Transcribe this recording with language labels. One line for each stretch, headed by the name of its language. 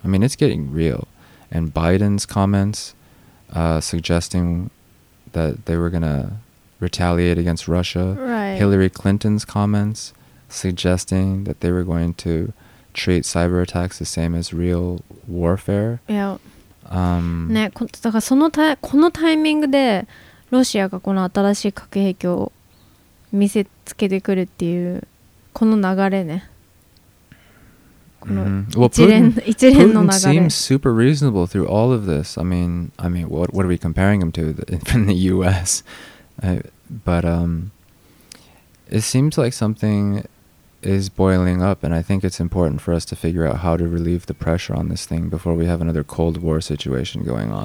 English: I mean, it's getting real. And Biden's comments suggesting that they were going to retaliate against Russia. Right. Hillary Clinton's comments suggesting that they were going to treat cyber attacks the same as real warfare. Yeah.
Japanese: ね、だからそのこのタイミングでロシアがこの新しい核兵器を見せつけてくるっていうこの流れね。この一連、mm-hmm. well, Putin, 一連の流れ。
English: Putin seems super reasonable through all of this. I mean, what are we comparing him to in the U.S.? But it seems like something is boiling up, and I think it's important for us to figure out how to relieve the pressure on this thing before we have another Cold War situation going on.